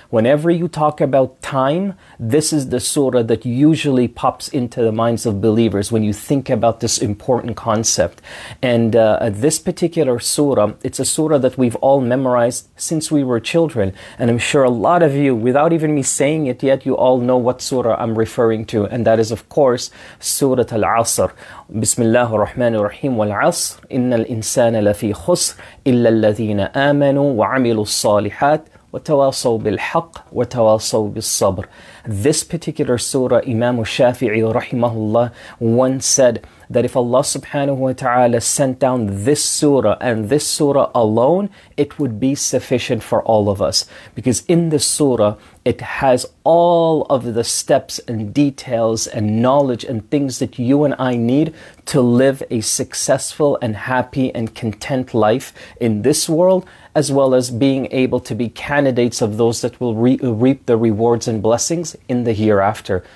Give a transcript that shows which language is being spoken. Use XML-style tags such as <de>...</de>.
<en>Whenever you talk about time, this is the surah that usually pops into the minds of believers when you think about this important concept. And this particular surah, it's a surah that we've all memorized since we were children. And I'm sure a lot of you, without even me saying it yet, you all know what surah I'm referring to. And that is, of course, Surah Al-Asr.</en> <ar>بسم الله الرحمن الرحيم والعصر إن الإنسان لفي خسر إلا الذين آمنوا وعملوا الصالحات وتواصوا بالحق وتواصوا بالصبر.</ar> <en>This particular surah, Imam Shafi'i rahimahullah once said that if Allah subhanahu wa ta'ala sent down this surah and this surah alone, it would be sufficient for all of us. Because in this surah, it has all of the steps and details and knowledge and things that you and I need to live a successful and happy and content life in this world, as well as being able to be candidates of those that will reap the rewards and blessings in the hereafter.</en>